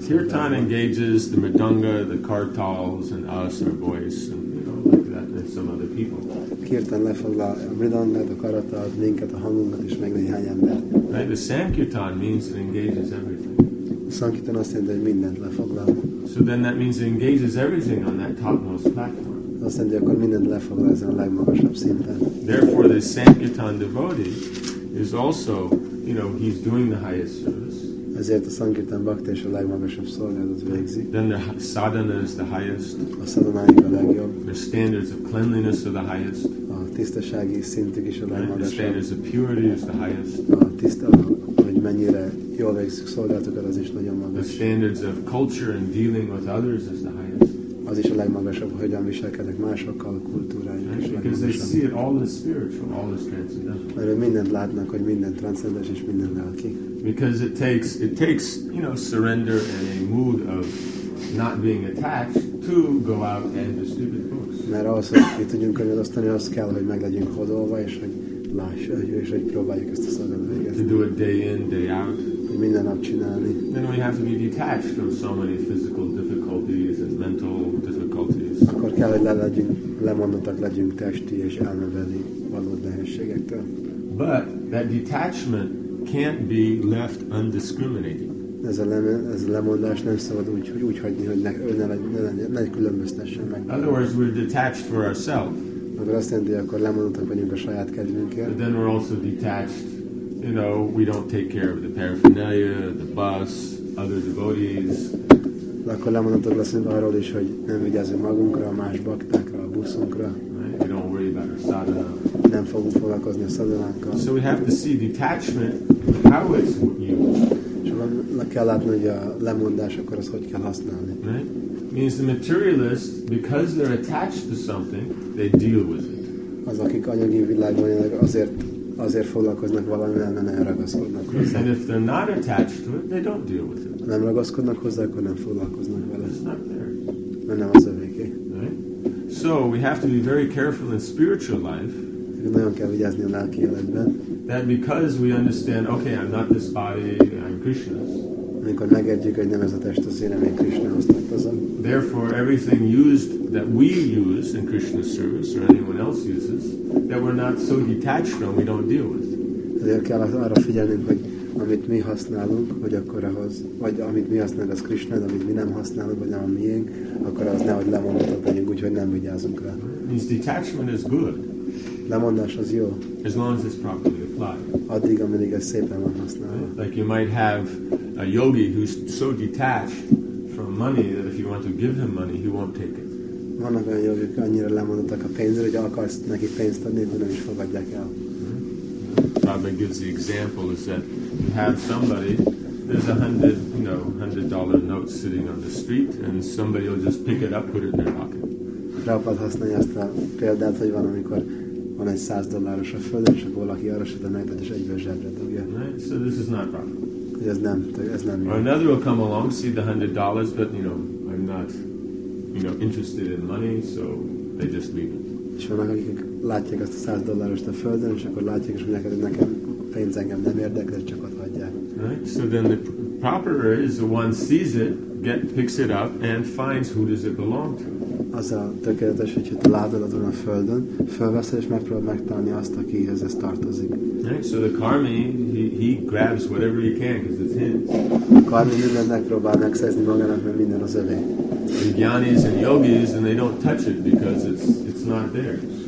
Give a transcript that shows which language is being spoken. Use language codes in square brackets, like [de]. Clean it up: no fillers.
[en] Kirtan engages the mridanga, the kartals, and us, our voice, and you know, like that, and some other people. [hu] Kirtan lefoglal a mridangát, a kartalt, minket, a hangunkat, és még néhány embert. [en] Right? The Sankirtan means it engages everything. [hu] Sankirtana azt mondja, hogy mindent lefoglal. [en] So then that means it engages everything on that topmost platform. [hu] Azt mondja, akkor mindent lefoglal ezen a legmagasabb szinten. [en] Therefore, the Sankirtan devotee is also, you know, he's doing the highest service. [hu] Ezért a Sankirtan bhakti és a legmagasabb szolgálatot végzi. [en] Then the sadhana is the highest. [hu] A szadanáik a legjobb. [en] The standards of cleanliness are the highest. [hu] A tisztasági szintük is a legmagasabb. [en] The standards of purity is the highest. [hu] A tiszta, hogy mennyire jól végzik szolgálatokat, az is nagyon magas. [en] The standards of culture and dealing with others is the highest. [hu] Az is a legmagasabb, hogyan viselkedek másokkal, a kultúrájuk is legmagasabb. [en] Because they see it all as spiritual, all as transcendental. [hu] Mert ők mindent látnak, hogy minden transzendens és minden lelki. [en] Because it takes you know, surrender and a mood of not being attached to go out and do stupid books. [hu] Mert ahhoz, hogy tudjunk önözteni, az kell, hogy meg legyünk hodolva, és hogy lássuk, és hogy próbáljuk ezt a szolgálatot végezni. [en] To do it day in, day out. [hu] Hogy minden nap csinálni. [en] Then we have to be detached from so many physical difficulties and mental difficulties. [hu] Akkor kell, hogy lemondottak legyünk testi és elmebeli valódi nehézségektől. [en] But that detachment can't be left undiscriminating. [hu] Ez a lemondás nem szabad úgy hagyni, hogy ne különböztessen meg. [en] Otherwise we're detached for ourselves. [hu] Akkor azt jelenti, akkor lemondottak vagyunk a saját kedvünkért. [en] But then we're also detached, you know, we don't take care of the paraphernalia, the bus, other devotees. [hu] De akkor lemondottak leszünk arról is, hogy nem vigyázunk magunkra, a más baktákra, a buszunkra. [en] Right? We don't worry about our sadhana. [hu] Nem fogunk foglalkozni a szadalánkkal. [en] So we have to see detachment, how it's used. [hu] És meg kell látni, hogy a lemondás, akkor az hogy kell használni. [en] Right? Means the materialist, because they're attached to something, they deal with it. [hu] Az, akik anyagi világban élnek, azért foglalkoznak valamivel, mert nem ragaszkodnak hozzá. [en] And if they're not attached to it, they don't deal with it. [hu] Ha nem ragaszkodnak hozzá, akkor nem foglalkoznak vele. [en] It's not there. [hu] Mert nem az övéké. [en] Right? So we have to be very careful in spiritual life. [hu] Nagyon kell vigyázni a lelki életben. [en] That because we understand, okay, I'm not this body, I'm Krishna. [hu] Amikor megértjük, hogy nem ez a test, az én, én Krishnához tartozom. [en] Therefore, everything used that we use in Krishna's service or anyone else uses, that we're not so detached from, we don't deal with. [hu] Ezért kell arra figyelnünk, hogy amit mi használunk, hogy akkor ahhoz, vagy amit mi használunk, az Krishna, amit mi nem használunk, vagy nem a miénk, akkor az nehogy lemondottak legyünk, úgyhogy nem vigyázunk rá. [en] His detachment is good. [hu] Lemondás az jó. [en] As long as it's properly applied. [hu] Addig, amíg ez szépen van használva. [en] Like you might have a yogi who's so detached from money that if you want to give him money, he won't take it. [hu] Vannak olyan yogik, annyira lemondottak a pénzre, hogy akarsz neki pénzt adni, de nem is fogadják el. [en] Prabhupada gives the example is that you have somebody, there's $100 note sitting on the street, and somebody will just pick it up, put it in their pocket. [hu] Prabhupada használja azt a példát, hogy van, amikor van egy $100 a földön, és akkor valaki arra se tenni, és egyből zsebre dugja. [en] Right? So this is not proper. [hu] Ez nem. [en] Or another will come along, see the $100, but you know, I'm not, you know, interested in money, so they just leave it. [hu] És vannak, akik látják azt a $100 a földön, és akkor látják, és mondják, hogy nekem pénz engem nem érdekel, de csak ott hagyják. [en] Right? So then the proper is the one sees it, picks it up, and finds who does it belong to. [hu] Az a tökéletes, hogyha te látod azon a földön, felveszed és megpróbál megtalálni azt, akihez ez tartozik. [en] Right, so the karmi, he grabs whatever he can, because it's his. [hu] A karmi minden megpróbál megszerzni magának, mert minden az övé. [en] Gyanis and yogis, and they don't touch it, because it's not there.